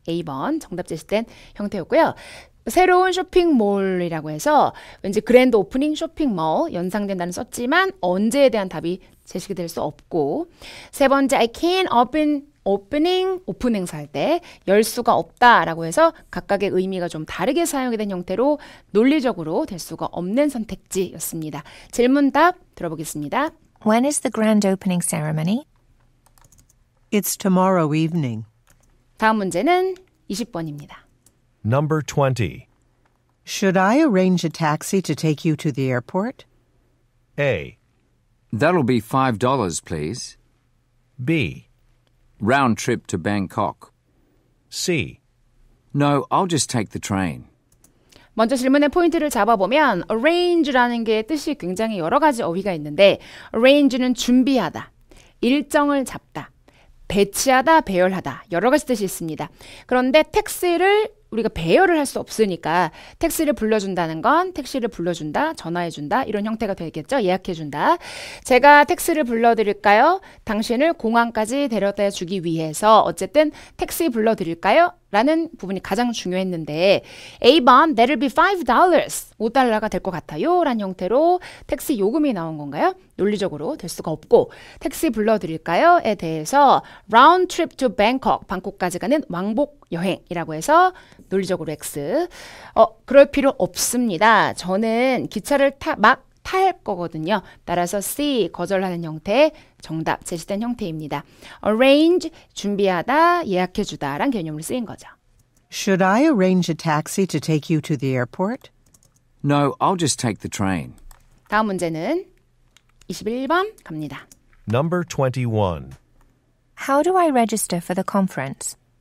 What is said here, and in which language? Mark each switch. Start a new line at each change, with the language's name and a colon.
Korean: A번 정답 제시된 형태였고요. 새로운 쇼핑몰이라고 해서 왠지 그랜드 오프닝 쇼핑몰 연상된다는 썼지만 언제에 대한 답이 제시가 될 수 없고, 세 번째
English: I can't open
Korean: opening 오픈 행사할 때 열 수가 없다라고 해서 각각의 의미가 좀 다르게 사용이 된 형태로 논리적으로 될 수가 없는 선택지였습니다. 질문 답 들어보겠습니다.
English: When is the grand opening ceremony? It's tomorrow evening.
Korean: 다음 문제는 20번입니다.
English: Number 20. Should I arrange a taxi to take you to the airport? A. That'll be $5, please. B. Round trip to Bangkok. C. No, I'll just take the train.
Korean: 먼저 질문의 포인트를 잡아보면 arrange라는 게 뜻이 굉장히 여러 가지 어휘가 있는데 arrange는 준비하다, 일정을 잡다, 배치하다, 배열하다 여러 가지 뜻이 있습니다. 그런데 택시를 우리가 배열을 할 수 없으니까 택시를 불러준다는 건 택시를 불러준다, 전화해준다 이런 형태가 되겠죠. 예약해준다. 제가 택시를 불러드릴까요? 당신을 공항까지 데려다 주기 위해서 어쨌든 택시 불러드릴까요? 라는 부분이 가장 중요했는데 A번
English: that'll be $5,
Korean: 5달러가 될 것 같아요 라는 형태로 택시 요금이 나온 건가요? 논리적으로 될 수가 없고 택시 불러드릴까요? 에 대해서
English: round trip to Bangkok,
Korean: 방콕까지 가는 왕복 여행이라고 해서 논리적으로 X. 그럴 필요 없습니다. 저는 기차를 탈 거거든요. 따라서 C, 거절하는 형태, 정답 제시된 형태입니다. Arrange, 준비하다, 예약해주다란 개념으로 쓰인 거죠.
English: Should I arrange a taxi to take you to the airport? No, I'll just take the train.
Korean: 다음 문제는 21번 갑니다.
English: Number 21. How do I register for the conference?